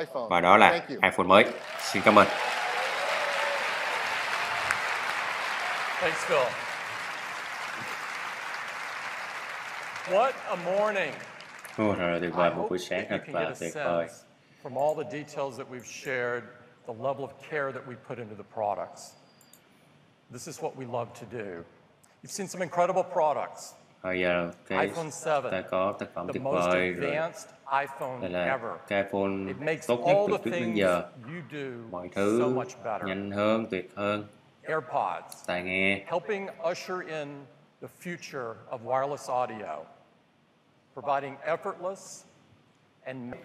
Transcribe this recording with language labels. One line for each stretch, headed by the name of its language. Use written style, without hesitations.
Vietnamese: Và đó là iPhone mới. Xin cảm ơn.
English: Thanks, Phil. What a morning.
Vietnamese: Oh, tuyệt vời, một buổi sáng thật là tuyệt vời.
English: From all the details that we've shared, the level of care that we put into the products. This is what we love to do. You've seen some incredible products.
Vietnamese: iPhone 7, ta có tác phẩm tuyệt vời rồi. Đây là cái iPhone tốt nhất từ trước đến giờ. Mọi thứ nhanh hơn, tuyệt hơn.
English: AirPods,
Vietnamese: tai nghe,
English: helping usher in the future of wireless audio, providing effortless and